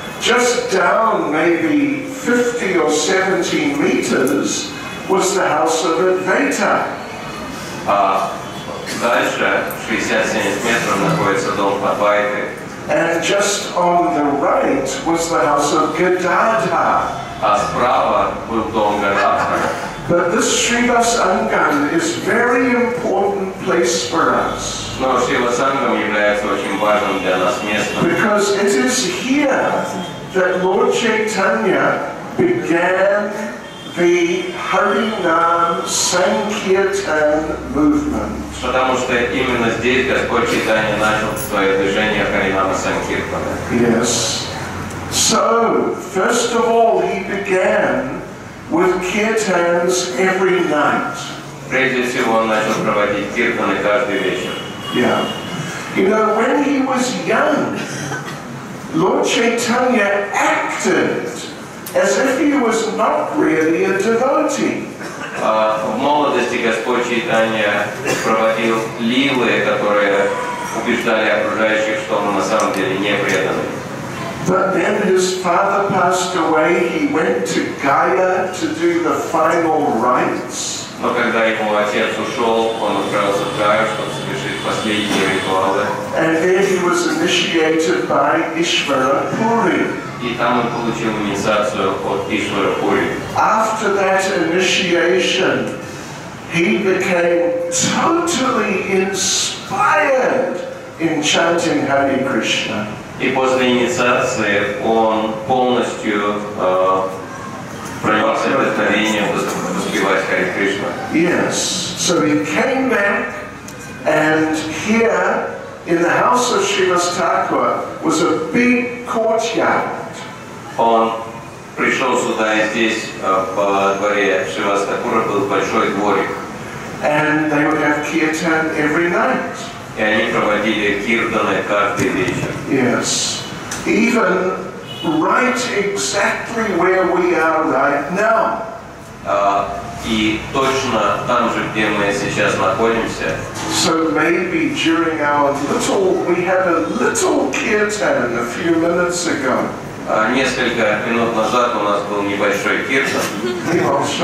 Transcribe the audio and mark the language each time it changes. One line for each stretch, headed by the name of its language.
English: Just down maybe 50 or 70 meters was the house of Advaita.
Russian: Дальше, 67 метров, находится дом Адвайты.
English: And just on the right was the house of Gadadha.
Russian: А справа был дом Гададха.
English: But this Shrivasangam is very important place for us.
Russian: Но Shrivasangam является очень важным для нас местом.
English: Because it is here that Lord Chaitanya began the Harinam Sankirtan movement.
Russian: Потому что именно здесь Господь Чайтанья начал свое движение Харинама Санкиртана.
English: Yes. So, first of all, he began with kirtans every night.
Russian: Прежде всего, он начал проводить киртаны каждый вечер.
English: Yeah. You know, when he was young, Lord Chaitanya acted as if he was not really a devotee.
Russian: В молодости Господь Чайтанья проводил лилы, которые убеждали окружающих, что он на самом деле не преданный.
English: But then his father passed away, he went to Gaya to do the final rites.
Russian: Но когда его отец ушел, он отправился в Гаю, чтобы совершить последние ритуалы.
English: And there he was initiated by Ishvara Puri.
Russian: И там он получил инициацию от Ишвара Пури.
English: After that initiation, he became totally inspired in chanting Hare Krishna.
Russian: И после инициации он полностью проявился вдохновением воспевать Хари Кришна.
English: Yes. So he came back and here in the house of Shrivas Thakur was a big courtyard.
Russian: Он пришел сюда и здесь, по дворе Шривас Такура, был большой дворик.
English: And they would have kirtan every night.
Russian: И они проводили киртаны каждый вечер.
English: Yes. Even right exactly where we are right now.
Russian: И точно там же, где мы сейчас находимся.
English: So maybe during our little, we had a little kirtan a few minutes ago.
Russian: Несколько минут назад у нас был небольшой киртан.